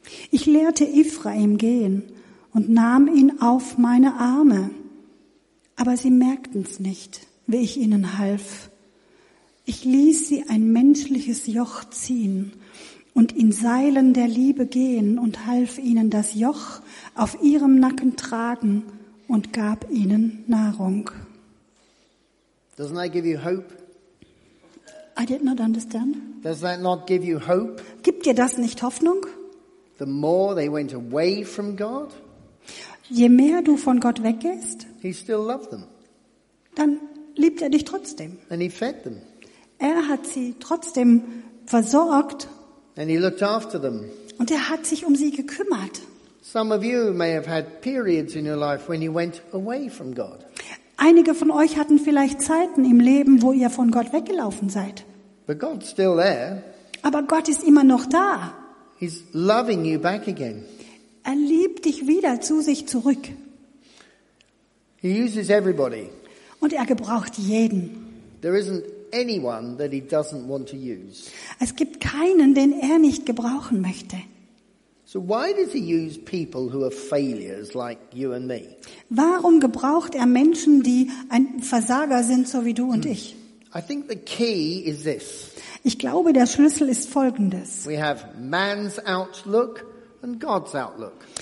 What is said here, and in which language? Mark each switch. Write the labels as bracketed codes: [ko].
[de] Ich lehrte Ephraim gehen und nahm ihn auf meine Arme, aber sie merkten's nicht, wie ich ihnen half. Ich ließ sie ein menschliches Joch ziehen und in Seilen der Liebe gehen und half ihnen das Joch auf ihrem Nacken tragen und gab ihnen Nahrung. [en] Doesn't that give you hope? I did not understand. Does that not give you hope? [de] Gibt dir das nicht Hoffnung? [en] The more they went away from God, [de] je mehr du von Gott weggehst, [en] he still loved them. [de] Dann liebt dich trotzdem. [en] And he fed them. [de] Hat sie trotzdem versorgt. [en] And he looked after them. [de] Und hat sich sie gekümmert. [en] Some of you may have had periods in your life when you went away from God. [de] Einige von euch hatten vielleicht Zeiten im Leben, wo ihr von Gott weggelaufen seid. [en] But God's still there. [de] Aber Gott ist immer noch da. [en] He's loving you back again. [de] Liebt dich wieder zu sich zurück. [en] He uses everybody. [de] Und gebraucht jeden. [en] There isn't anyone that he doesn't want to use. [de] Es gibt keinen, den nicht gebrauchen möchte. [en] So why does he use people who are failures like you and me? [de] Warum gebraucht Menschen, die ein Versager sind, so wie du und ich? [en] I think the key is this. [de] Ich glaube, der Schlüssel ist folgendes. [en] We have man's outlook and God's outlook.